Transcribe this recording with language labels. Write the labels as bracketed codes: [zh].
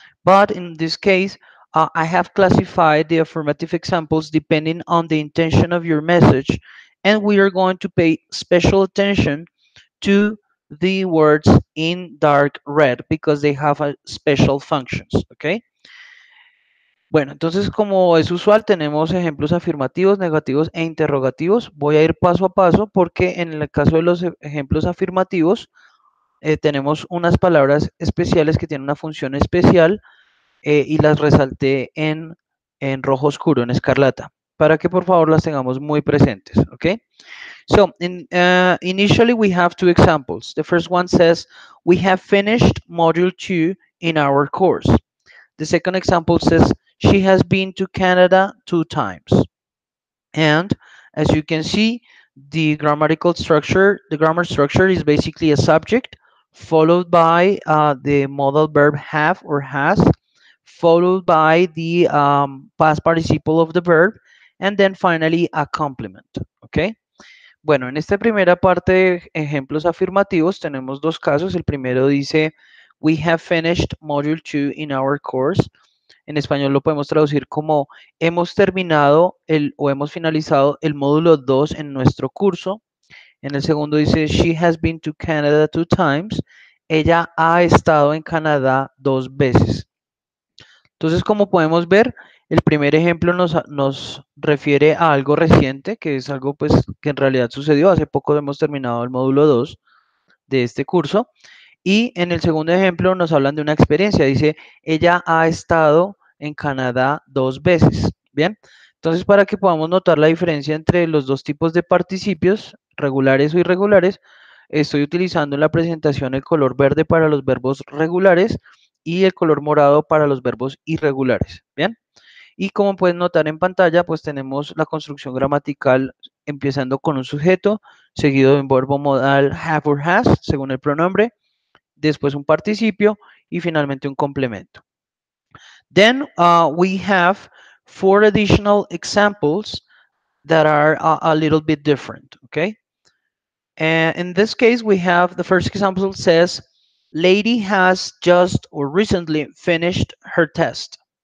[en] But in this case, I have classified the affirmative examples depending on the intention of your message, and we are going to pay special attention to the words in dark red because they have a special functions, okay? [es] Bueno, entonces, como es usual, tenemos ejemplos afirmativos, negativos e interrogativos. Voy a ir paso a paso porque en el caso de los ejemplos afirmativos tenemos unas palabras especiales que tienen una función especial y las resalté en rojo oscuro, en escarlata, para que por favor las tengamos muy presentes, okay? [en] So, initially we have two examples. The first one says, we have finished module 2 in our course. The second example says, she has been to Canada 2 times. And as you can see, the grammatical structure, the grammar structure is basically a subject followed by the modal verb have or has, followed by the past participle of the verb, and then finally a complement, okay? [es] Bueno, en esta primera parte de ejemplos afirmativos tenemos dos casos. El primero dice, [en] we have finished module 2 in our course. [es] En español lo podemos traducir como, hemos terminado o hemos finalizado el módulo 2 en nuestro curso. En el segundo dice, [en] she has been to Canada 2 times. [es] Ella ha estado en Canadá 2 veces. Entonces, como podemos ver, el primer ejemplo nos refiere a algo reciente, que es algo pues, que en realidad sucedió. Hace poco hemos terminado el módulo 2 de este curso. Y en el segundo ejemplo nos hablan de una experiencia. Dice, ella ha estado en Canadá 2 veces. ¿Bien? Entonces, para que podamos notar la diferencia entre los dos tipos de participios, regulares o irregulares, estoy utilizando en la presentación el color verde para los verbos regulares y el color morado para los verbos irregulares. ¿Bien? Y como pueden notar en pantalla, pues tenemos la construcción gramatical empezando con un sujeto, seguido de un verbo modal [en] have or has, [es] según el pronombre, después un participio y finalmente un complemento. [en] Then we have 4 additional examples that are a little bit different, okay? And in this case, we have the first example says, lady has just or recently finished her test.